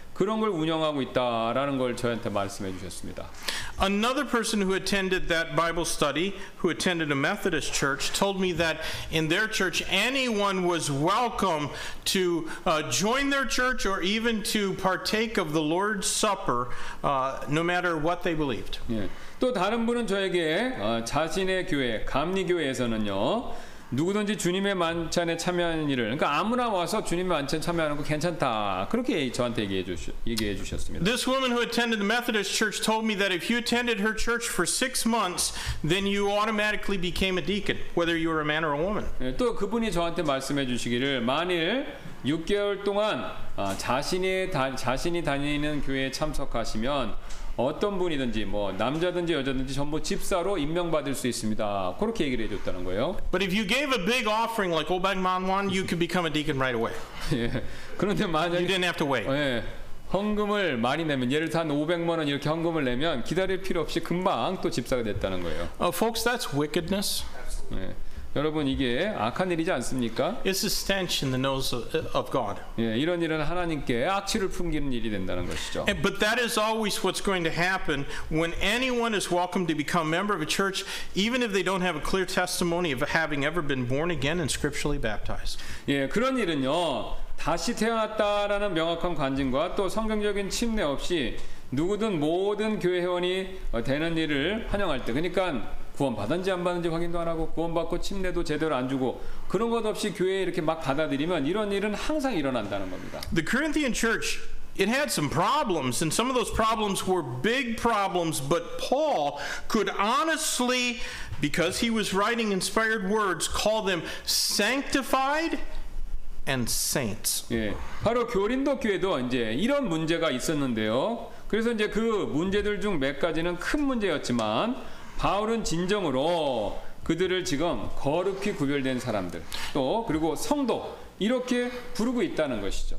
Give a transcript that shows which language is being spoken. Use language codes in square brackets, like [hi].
[ko] 그런 걸 운영하고 있다라는 걸 저한테 말씀해 주셨습니다. [en] Another person who attended that Bible study, who attended a Methodist church, told me that in their church anyone was welcome to join their church or even to partake of the Lord's Supper no matter what they believed. [ko] 예. 또 다른 분은 저에게 자신의 교회, 감리교회에서는요. 누구든지 주님의 만찬에 참여하는 일을 그러니까 아무나 와서 주님의 만찬 참여하는 거 괜찮다. 그렇게 저한테 얘기해 주셨습니다. [en] This woman who attended the Methodist church told me that if you attended her church for 6 months, then you automatically became a deacon, whether you were a man or a woman. [ko] 예, 또 그분이 저한테 말씀해 주시기를 만일 6개월 동안 자신이 다니는 교회에 참석하시면 어떤 분이든지 뭐 남자든지 여자든지 전부 집사로 임명받을 수 있습니다. 그렇게 얘기를 해줬다는 거예요. [en] But if you gave a big offering like 500만 won, you could become a deacon right away. [ko] 그런데 만약에 [en] you didn't have to wait. [ko] 예, 헌금을 많이 내면 예를 들어 한 500만 원 이렇게 헌금을 내면 기다릴 필요 없이 금방 또 집사가 됐다는 거예요. [en] Folks, that's wickedness. [ko] 예, 여러분 이게 악한 일이지 않습니까? [en] It's a stench in the nose of God. [ko] 예, 이런 일은 하나님께 악취를 풍기는 일이 된다는 것이죠. [en] But that is always what's going to happen when anyone is welcome to become a member of a church, even if they don't have a clear testimony of having ever been born again and scripturally baptized. [ko] 예, 그런 일은요 다시 태어났다라는 명확한 관증과 또 성경적인 침례 없이 누구든 모든 교회 회원이 되는 일을 환영할 때, 그러니까. 구원 받았는지 안 받았는지 확인도 안 하고 구원 받고 침례도 제대로 안 주고 그런 것 없이 교회에 이렇게 막 받아들이면 이런 일은 항상 일어난다는 겁니다. [en] The Corinthian church, it had some problems and some of those problems were big problems, but Paul could honestly, because he was writing inspired words, call them sanctified and saints. [ko] 예, 바로 고린도 교회도 이제 이런 문제가 있었는데요. 그래서 이제 그 문제들 중 몇 가지는 큰 문제였지만 바울은 진정으로 그들을 지금 거룩히 구별된 사람들 또 그리고 성도 이렇게 부르고 있다는 것이죠.